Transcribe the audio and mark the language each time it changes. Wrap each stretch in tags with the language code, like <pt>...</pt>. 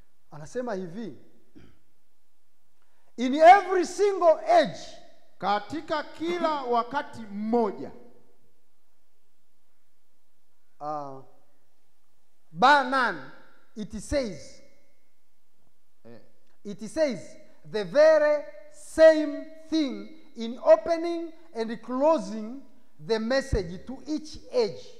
<sw>Anasema hivi,</sw> <en>in every single age,</en> <sw>katika kila wakati mmoja,</sw> <en>bar none, it says, it says the very same thing in opening and closing the message to each age.</en>